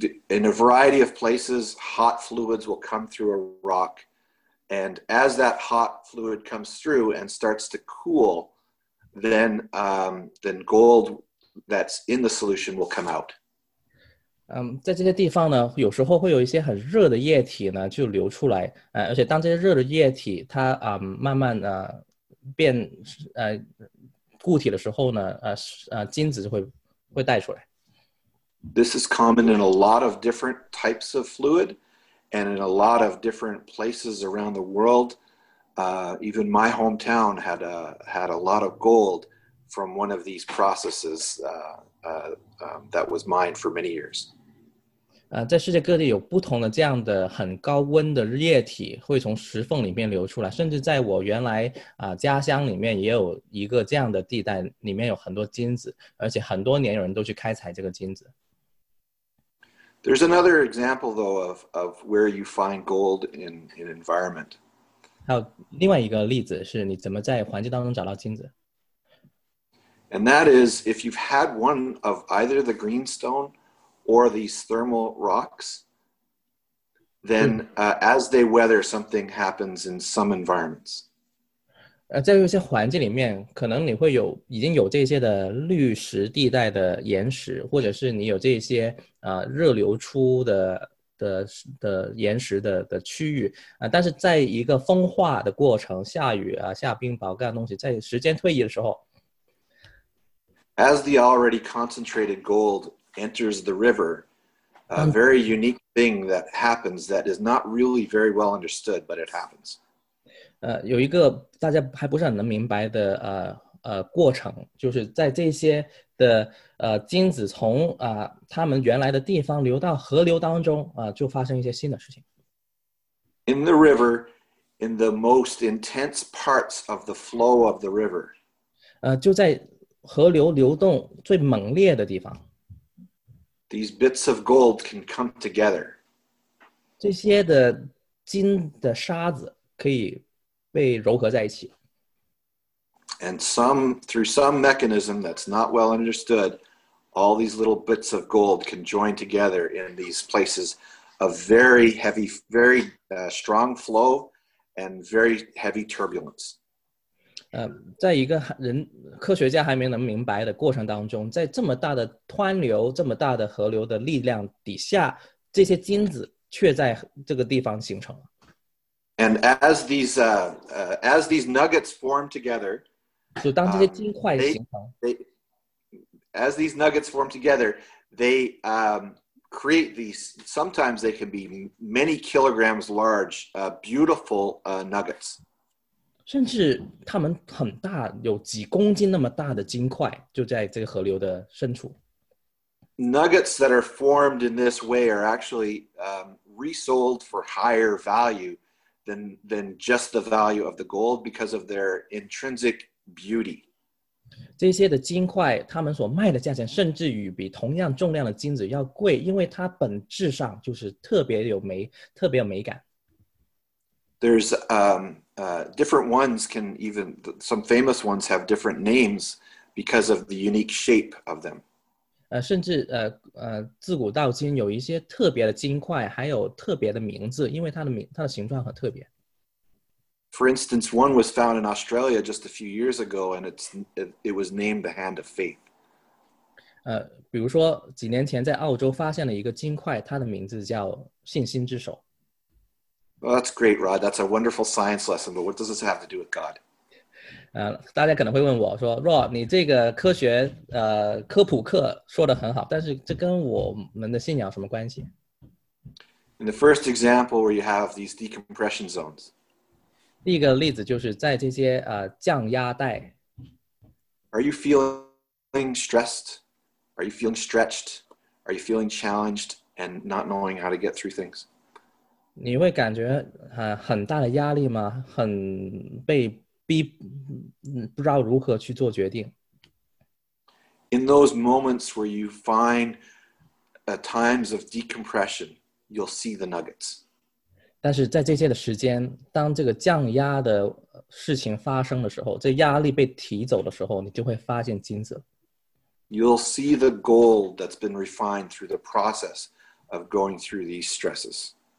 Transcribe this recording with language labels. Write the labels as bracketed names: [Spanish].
[English] In a variety of places, hot fluids will come through a rock, and as that hot fluid comes through and starts to cool, then gold that's in the solution will come out. [Chinese] 在这些地方呢，有时候会有一些很热的液体呢就流出来，而且当这些热的液体它慢慢变固体的时候呢，金子就会带出来。 [English] This is common in a lot of different types of fluid and in a lot of different places around the world. Even my hometown had a lot of gold from one of these processes that was mined for many years. [Chinese] 在世界各地有不同的这样的很高温的液体会从石缝里面流出来，甚至在我原来家乡里面也有一个这样的地带，里面有很多金子，而且很多年有人都去开采这个金子。 [English] There's another example, though, of where you find gold in environment. [Chinese] 还有另外一个例子是你怎么在环境当中找到金子。 [English] And that is, if you've had one of either the greenstone or these thermal rocks, then as they weather, something happens in some environments. [Chinese] 在一些环境里面，可能你会有已经有这些的绿石地带的岩石，或者是你有这些热流出的岩石的区域但是在一个风化的过程，下雨下冰雹干东西，在时间推移的时候 [English] ，as the already concentrated gold enters the river, a very unique thing that happens that is not really very well understood, but it happens. [Chinese] 有一个大家还不是很能明白的过程，就是在这些的金子从他们原来的地方流到河流当中就发生一些新的事情。 [English] In the river, in the most intense parts of the flow of the river. [Chinese] 就在河流流动最猛烈的地方。 [English] These bits of gold can come together. [Chinese] 这些的金的沙子可以被柔合在一起。 [English] And some, through some mechanism that's not well understood, all these little bits of gold can join together in these places of very heavy, very strong flow and very heavy turbulence. [Chinese] 在一个科学家还没能明白的过程当中，在这么大的湍流，这么大的河流的力量底下，这些金子却在这个地方形成了。 [English] And as these nuggets form together, [Chinese] 就当这些金块形成 [English] as these nuggets form together, they create these. Sometimes they can be many kilograms large, beautiful nuggets. [Chinese] 甚至它们很大，有几公斤那么大的金块，就在这个河流的深处。 [English] Nuggets that are formed in this way are actually resold for higher value. Than just the value of the gold because of their intrinsic beauty. [Chinese] 这些的金块，他们所卖的价钱甚至于比同样重量的金子要贵，因为它本质上就是特别有美，特别有美感。 [English] There's different ones can even some famous ones have different names because of the unique shape of them. [Chinese] 甚至自古到今有一些特别的金块，还有特别的名字，因为它的形状很特别。 [English] For instance, one was found in Australia just a few years ago, and it was named the Hand of Faith. [Chinese] 比如说几年前在澳洲发现了一个金块，它的名字叫信心之手。 [English] Well, that's great, Rod. That's a wonderful science lesson. But what does this have to do with God? [Chinese] 大家可能会问我说 ，Rod， 你这个科学科普课说得很好，但是这跟我们的信仰什么关系 [English] ？In the first example where you have these decompression zones， [Chinese] 第一个例子就是在这些降压带。 [English] Are you feeling stressed? Are you feeling stretched? Are you feeling challenged? and not knowing how to get through things. [Chinese] 你会感觉很大的压力吗？很被逼，不知道如何去做决定。 [English] In those moments where you find times of decompression, you'll see the nuggets. [Chinese] 但是在这些的时间，当这个降压的事情发生的时候，这压力被提走的时候，你就会发现金子。 [English] You'll see the gold that's been refined through the process of going through these stresses.